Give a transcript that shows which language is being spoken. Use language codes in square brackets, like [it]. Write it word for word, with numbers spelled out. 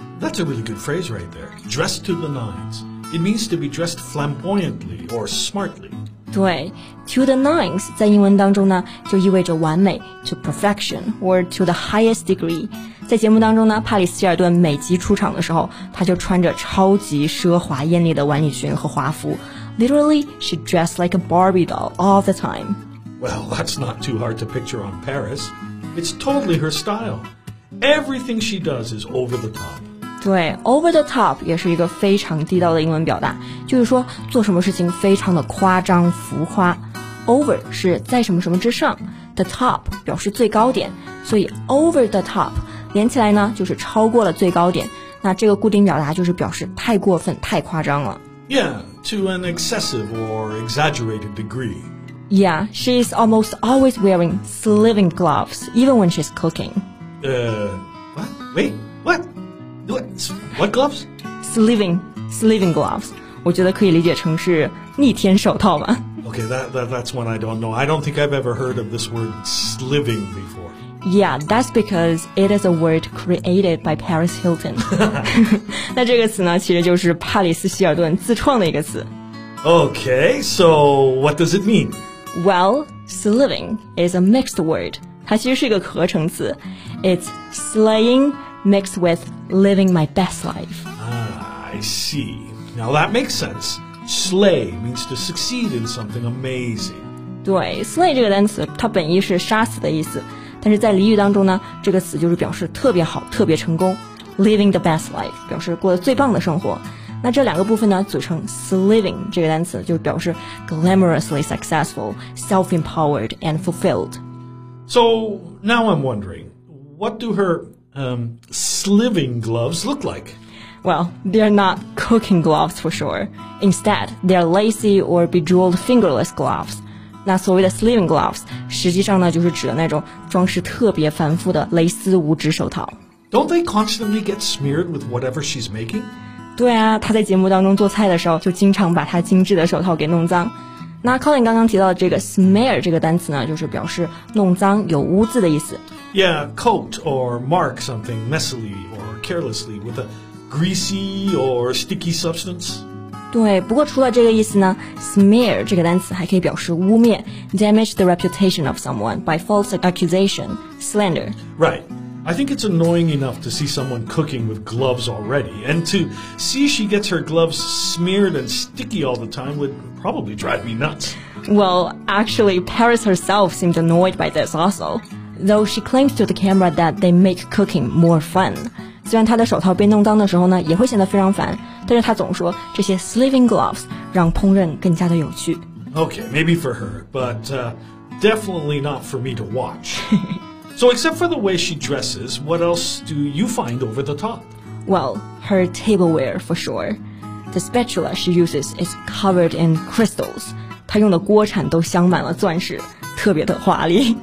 [en] That's a really good phrase right there, dressed to the nines. It means to be dressed flamboyantly or smartly. [zh] 对 to the nines 在英文当中呢就意味着完美 [en] to perfection or to the highest degree [zh] 在节目当中呢帕里斯希尔顿每集出场的时候她就穿着超级奢华艳丽的晚礼裙和华服 [en] Literally, she dressed like a Barbie doll all the time Well, that's not too hard to picture on Paris It's totally her style Everything she does is over the top [zh] 对 ，over the top 也是一个非常地道的英文表达，就是说做什么事情非常的夸张浮夸。 Over 是在什么什么之上 ，the top 表示最高点，所以 over the top 连起来呢就是超过了最高点。那这个固定表达就是表示太过分、太夸张了。 [en] Yeah, to an excessive or exaggerated degree. Yeah, she is almost always wearing sleeving gloves, even when she's cooking. Uh, what? Wait, what? What? What gloves? Sleeving, sleeving gloves. [zh] 我觉得可以理解成是逆天手套吧。 [en] Okay, that, that that's one I don't know. I don't think I've ever heard of this word sleeving before. Yeah, that's because it is a word created by Paris Hilton. [zh] 那这个词呢，其实就是帕里斯希尔顿自创的一个词。 [en] Okay, so what does it mean? Well, sleeving is a mixed word. [zh] 它其实是一个合成词。 [en] It's slaying mixed with living my best life. Ah, I see. Now that makes sense. Slay means to succeed in something amazing. [zh] 对 slay 这个单词，它本意是杀死的意思。但是在俚语当中呢，这个词就是表示特别好、特别成功 ， [en] living the best life [zh] 表示过得最棒的生活。那这两个部分呢，组成 sleeving 这个单词，就是表示 [en] glamorously successful, self-empowered and fulfilled. So now I'm wondering, what do her um, sleeving gloves look like? Well, they're not cooking gloves for sure. Instead, they're lacy or bejeweled fingerless gloves. [zh] 那所谓的 sleeving gloves 实际上呢就是指的那种装饰特别繁复的蕾丝五指手套。 [en] Don't they constantly get smeared with whatever she's making? [zh] 对啊，她在节目当中做菜的时候就经常把她精致的手套给弄脏。那 Colin 刚刚提到的这个 smear 这个单词呢，就是表示弄脏有污渍的意思。 [en] Yeah, coat or mark something messily or carelessly with a greasy or sticky substance. [zh] 对，不过除了这个意思呢 ，smear 这个单词还可以表示污蔑 ， [en] damage the reputation of someone by false accusation, slander. Right. I think it's annoying enough to see someone cooking with gloves already, and to see she gets her gloves smeared and sticky all the time would probably drive me nuts. Well, actually, Paris herself seemed annoyed by this also, though she claims to the camera that they make cooking more fun. [zh] 虽然她的手套被弄脏的时候呢，也会显得非常烦，但是她总说这些 sleeving gloves 让烹饪更加的有趣。 [en] Okay, maybe for her, but、uh, definitely not for me to watch. So except for the way she dresses, what else do you find over the top? Well, her tableware for sure. The spatula she uses is covered in crystals. [zh] 她用的锅铲都镶满了钻石，特别的华丽。